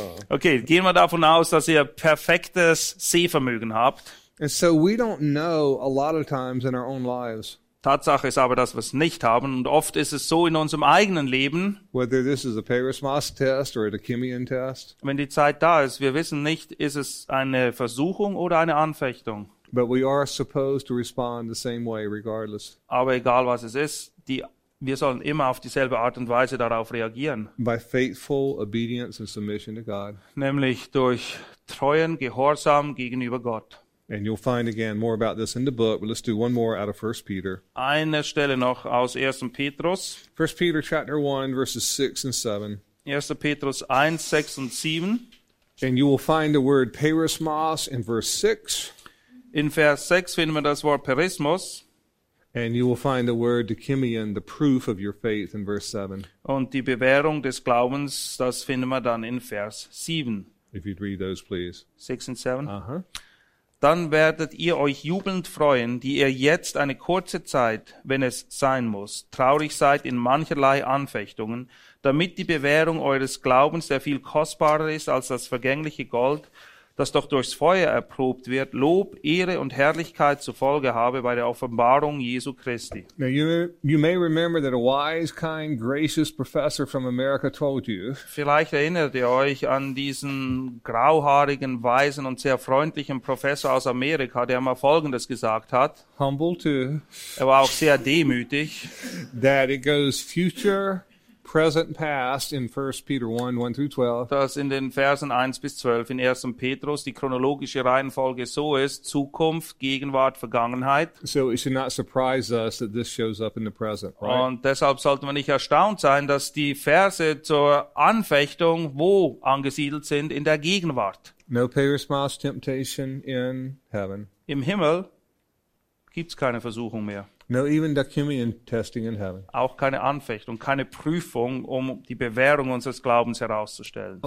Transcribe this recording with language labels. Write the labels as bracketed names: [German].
[German] Okay, gehen wir davon aus, dass ihr perfektes Sehvermögen habt. [English] And so we don't know a lot of times in our own lives. [German] Tatsache ist aber, dass wir es nicht haben. Und oft ist es so in unserem eigenen Leben, [English] whether this is a perismos test or a dachimion test, [German] wenn die Zeit da ist, wir wissen nicht, ist es eine Versuchung oder eine Anfechtung. [English] But we are supposed to respond the same way regardless. [German] Aber egal was es ist, wir sollen immer auf dieselbe Art und Weise darauf reagieren. [English] By faithful obedience and submission to God. [German] Nämlich durch treuen Gehorsam gegenüber Gott. [English] And you'll find again more about this in the book, but let's do one more out of 1 Peter. [German] Eine Stelle noch aus 1. Petrus. [English] 1 Peter chapter 1, verses 6 and 7. [German] 1. Petrus 1, 6 und 7. [English] And you will find the word perismos in verse 6. [German] In Vers 6 finden wir das Wort perismos. [English] And you will find the word dachimion, the proof of your faith, in verse 7. [German] Und die Bewährung des Glaubens, das finden wir dann in Vers 7. [English] If you'd read those, please. 6 and 7? Uh-huh. [German] dann werdet ihr euch jubelnd freuen, die ihr jetzt eine kurze Zeit, wenn es sein muss, traurig seid in mancherlei Anfechtungen, damit die Bewährung eures Glaubens, der viel kostbarer ist als das vergängliche Gold, das doch durchs Feuer erprobt wird, Lob, Ehre und Herrlichkeit zur Folge habe bei der Offenbarung Jesu Christi. [English] Now you may remember that a wise, kind, gracious professor from America told you. [German] Vielleicht erinnert ihr euch an diesen grauhaarigen, weisen und sehr freundlichen Professor aus Amerika, der mal Folgendes gesagt hat. [English] Humble too. [German] Er war auch sehr demütig. [English] That it goes future, present and past in 1 Peter 1:1-12. [German] Dass in den Versen 1 bis 12 in 1. Petrus die chronologische Reihenfolge so ist: Zukunft, Gegenwart, Vergangenheit. [English] So it should not surprise us that this shows up in the present, right? [German] Und deshalb sollten wir nicht erstaunt sein, dass die Verse zur Anfechtung wo angesiedelt sind? In der Gegenwart. [English] No perishable temptation in heaven. [German] Im Himmel gibt's keine Versuchung mehr. [English] No, even the communion testing in heaven. [German] Auch keine Anfechtung, keine Prüfung, um die Bewährung unseres Glaubens herauszustellen.